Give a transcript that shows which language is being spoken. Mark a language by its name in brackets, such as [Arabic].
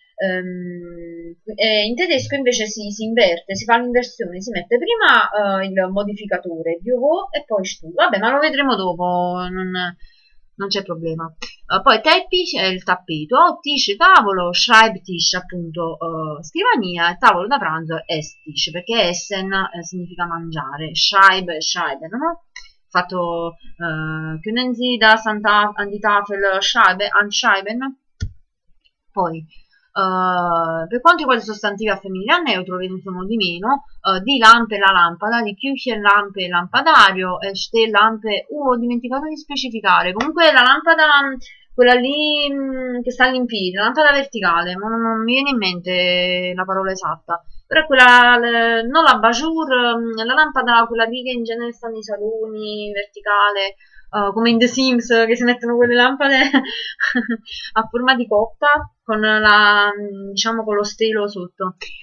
[Italian] E in tedesco invece si inverte, si fa l'inversione, si mette prima il modificatore, Büro, e poi Stuhl. Vabbè, ma lo vedremo dopo, non c'è problema. Poi Teppich è il tappeto, Tisch tavolo, Schreibtisch appunto scrivania, e tavolo da pranzo Esstisch, perché Essen significa mangiare, Schreib, no? [German] Fatto können Sie das an die Tafel schreiben, anschreiben? [Italian] Poi, per quanto riguarda i sostantivi a femminile a neutro, vedete sono di meno, di lampe la lampada, di Küchen lampe lampadario, ste lampe, ho dimenticato di specificare, comunque la lampada, quella lì che sta lì in piedi, la lampada verticale, non mi viene in mente la parola esatta, però quella, non la abat-jour, la lampada, quella lì che in genere sta nei saloni, verticale, come in The Sims, che si mettono quelle lampade a forma di coppa, con diciamo, con lo stelo sotto.